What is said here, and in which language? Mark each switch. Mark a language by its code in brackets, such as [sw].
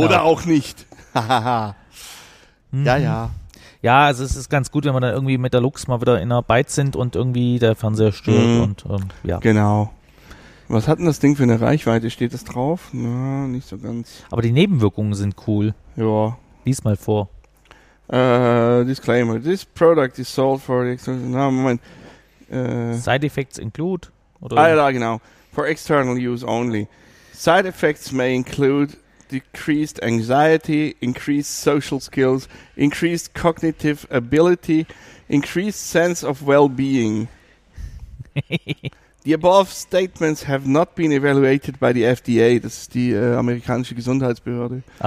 [de] Oder auch nicht. Ja, ja. Ja, also es ist ganz gut, wenn wir dann irgendwie mit der Lux mal wieder in der Byte sind und irgendwie der Fernseher stört. Ja. Genau. Was hat denn das Ding für eine Reichweite? Steht das drauf? Na, nicht so ganz. Aber die Nebenwirkungen sind cool. Ja. Lies mal vor. [en] Disclaimer. This product is sold for the external... [de] Na, Moment. [en] Side effects include? Oder? [de] Ah ja, genau. [en] For external use only. Side effects may include decreased anxiety, increased social skills, increased cognitive ability, increased sense of well-being. The above statements have not been evaluated by the FDA, [de] das ist die amerikanische Gesundheitsbehörde.